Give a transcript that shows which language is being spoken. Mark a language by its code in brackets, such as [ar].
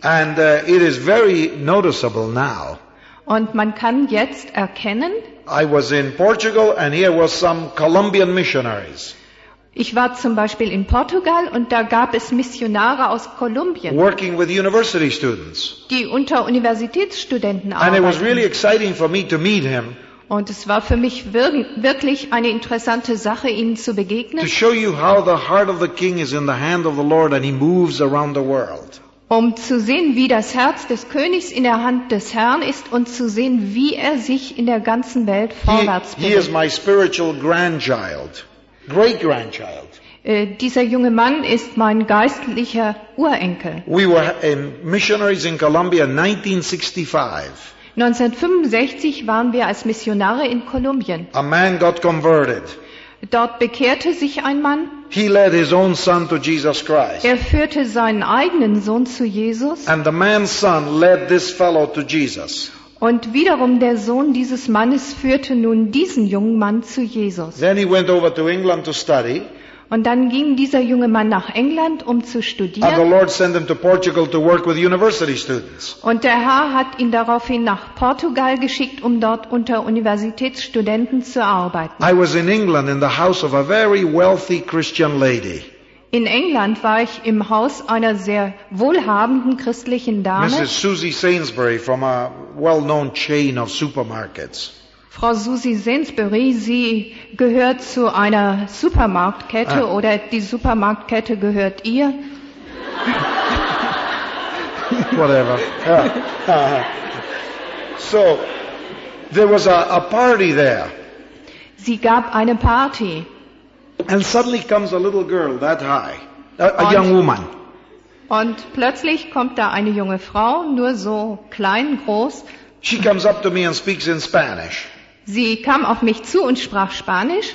[en] And it is very noticeable now. [de] Und man kann jetzt erkennen. [en] I was in Portugal and here was some Colombian missionaries. [de] Ich war zum Beispiel in Portugal und da gab es Missionare aus Kolumbien. [en] Working with university students. [de] Die unter Universitätsstudenten arbeiten. [en] And it was really exciting for me to meet him. [de] Und es war für mich wirklich eine interessante Sache, ihnen zu begegnen. [en] To show you how the heart of the king is in the hand of the Lord and he moves around the world. [de] Um zu sehen, wie das Herz des Königs in der Hand des Herrn ist und zu sehen, wie er sich in der ganzen Welt vorwärts bewegt. [en] He is my spiritual grandchild. Great-grandchild. [de] Dieser junge Mann ist mein geistlicher Urenkel. [en] We were missionaries in Colombia in 1965. [de] 1965 waren wir als Missionare in Kolumbien. [en] A man got converted. [de] Dort bekehrte sich ein Mann. [en] He led his own son to Jesus Christ. [de] Er führte seinen eigenen Sohn zu Jesus. [en] And the man's son led this fellow to Jesus. [de] Und wiederum der Sohn dieses Mannes führte nun diesen jungen Mann zu Jesus. [en] Then he went over to England to study. [de] Und dann ging dieser junge Mann nach England, um zu studieren. [en] And the Lord sent him to Portugal to work with university students. [de] Und der Herr hat ihn daraufhin nach Portugal geschickt, um dort unter Universitätsstudenten zu arbeiten. [en] I was in England in the house of a very wealthy Christian lady. [de] In England war ich im Haus einer sehr wohlhabenden christlichen Dame. [en] Mrs. Susie Sainsbury from a well-known chain of supermarkets. [de] Frau Susie Sainsbury, sie gehört zu einer Supermarktkette oder die Supermarktkette gehört ihr? [en] Whatever. So, there was a party there. [de] Sie gab eine Party. [en] And suddenly comes a little girl that high, a young woman. [de] Und plötzlich kommt da eine junge Frau, nur so klein, groß. [en] She comes up to me and speaks in Spanish. [de] Sie kam auf mich zu und sprach Spanisch.